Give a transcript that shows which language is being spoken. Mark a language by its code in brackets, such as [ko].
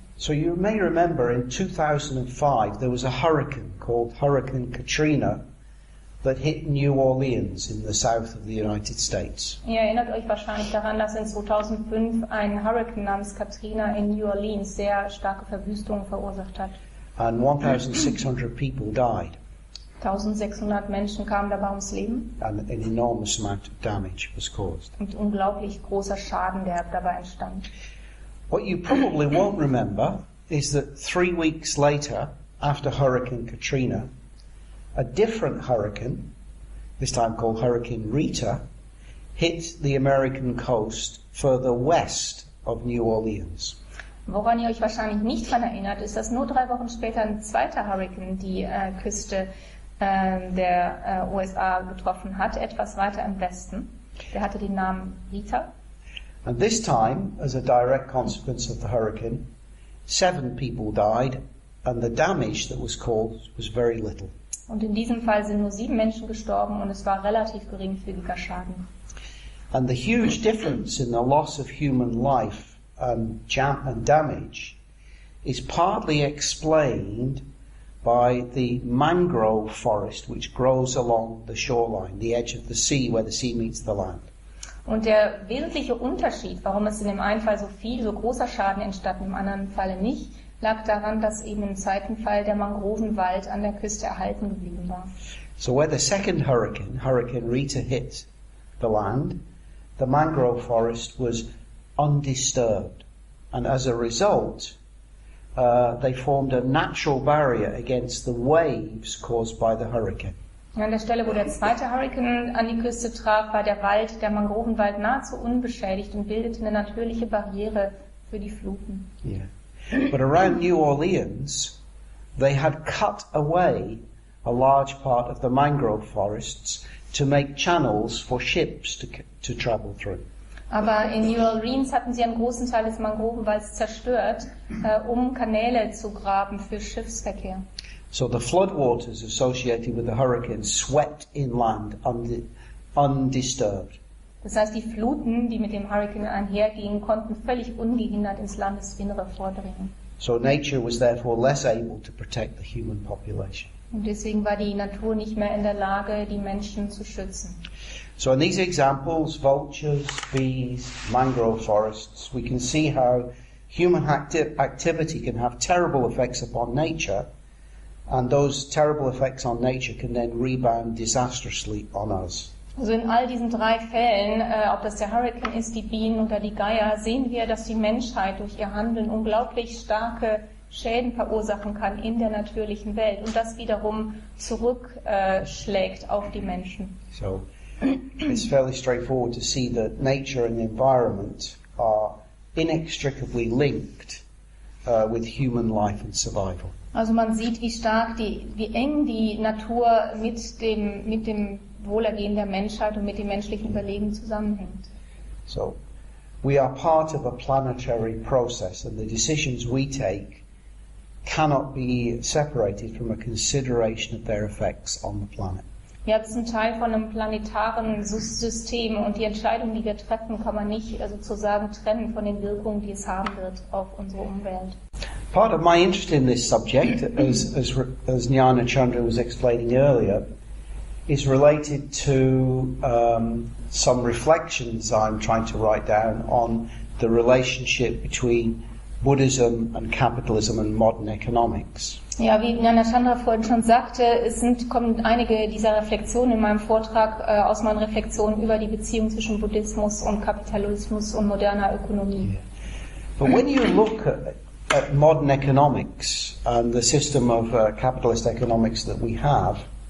[en] So you may remember in 2005 there was a hurricane called Hurricane Katrina that hit New Orleans in the south of the United States. [de] Ihr erinnert euch wahrscheinlich daran, dass in 2005 ein Hurricane namens Katrina in New Orleans sehr starke Verwüstungen verursacht hat. [en] And 1,600 people died. [de] 1,600 Menschen kamen dabei ums Leben. [en] And an enormous amount of damage was caused. [de] Und unglaublich großer Schaden, der dabei entstand. [en] What you probably won't remember is that 3 weeks later, after Hurricane Katrina, a different hurricane, this time called Hurricane Rita, hit the American coast further west of New Orleans. [de] Woran ihr euch wahrscheinlich nicht dran erinnert, ist, dass nur 3 Wochen später ein zweiter Hurricane die Küste der USA getroffen hat, etwas weiter im Westen. Der hatte den Namen Rita. [en] And this time, as a direct consequence of the hurricane, 7 people died, and the damage that was caused was very little. [de] Und in diesem Fall sind nur 7 Menschen gestorben, und es war relativ geringfügiger Schaden. [en] And the huge difference in the loss of human life and damage is partly explained by the mangrove forest, which grows along the shoreline, the edge of the sea, where the sea meets the land. [de] Und der wesentliche Unterschied, warum es in dem einen Fall so großer Schaden entstand, im anderen Falle nicht, lag daran, dass eben im zweiten Fall der Mangrovenwald an der Küste erhalten geblieben war. [en] So where the second hurricane, Hurricane Rita, hit the land, the mangrove forest was undisturbed. And as a result, they formed a natural barrier against the waves caused by the hurricane. [de] An der Stelle, wo der zweite Hurrikan an die Küste traf, war der Wald, der Mangrovenwald, nahezu unbeschädigt und bildete eine natürliche Barriere für die Fluten. [en] Yeah. But around New Orleans, they had cut away a large part of the mangrove forests to make channels for ships to travel through. [de] Aber in New Orleans hatten sie einen großen Teil des Mangrovenwalds zerstört, um Kanäle zu graben für Schiffsverkehr. [en] So the floodwaters associated with the hurricane swept inland undisturbed. [de] Das heißt, die Fluten, die mit dem Hurricane einhergingen, konnten völlig ungehindert ins Landesinnere vordringen. [en] So nature was therefore less able to protect the human population. [de] Und deswegen war die Natur nicht mehr in der Lage, die Menschen zu schützen. [en] So in these examples, vultures, bees, mangrove forests, we can see how human activity can have terrible effects upon nature. And those terrible effects on nature can then rebound disastrously on us. [de] Also in all diesen 3 Fällen, ob das der Hurrikan ist, die Bienen oder die Geier, sehen wir, dass die Menschheit durch ihr Handeln unglaublich starke Schäden verursachen kann in der natürlichen Welt. Und das wiederum zurückschlägt auf die Menschen. [en] So, it's fairly straightforward to see that nature and the environment are inextricably linked with human life and survival. [de] Also man sieht, wie eng die Natur mit dem Wohlergehen der Menschheit und mit dem menschlichen Überleben zusammenhängt. [en] So, we are part of a planetary process, and the decisions we take cannot be separated from a consideration of their effects on the planet. [de] Wir sind Teil von einem planetaren System, und die Entscheidungen, die wir treffen, kann man nicht sozusagen trennen von den Wirkungen, die es haben wird auf unsere Umwelt. [en] Part of my interest in this subject, as Jnana Chandra was explaining earlier, is related to some reflections I'm trying to write down on the relationship between Buddhism and capitalism and modern economics. [de] Ja, wie Jnana Chandra vorhin schon sagte, kommen einige dieser Reflexionen in meinem Vortrag aus meinen Reflexionen über die Beziehung zwischen Buddhismus und Kapitalismus und moderner Ökonomie. [en] Yeah. But when you look at modern economics and the system of capitalist economics that we have,